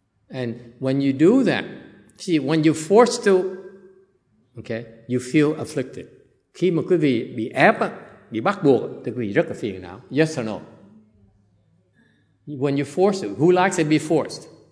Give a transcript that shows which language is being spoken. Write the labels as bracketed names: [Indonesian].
[English] And when you do that, see, when you're forced to, okay, you feel afflicted. [Vietnamese] Khi mà quý vị bị ép, bị bắt buộc, thì quý vị rất là phiền não. [English] Yes or no? When you force it, who likes to be forced?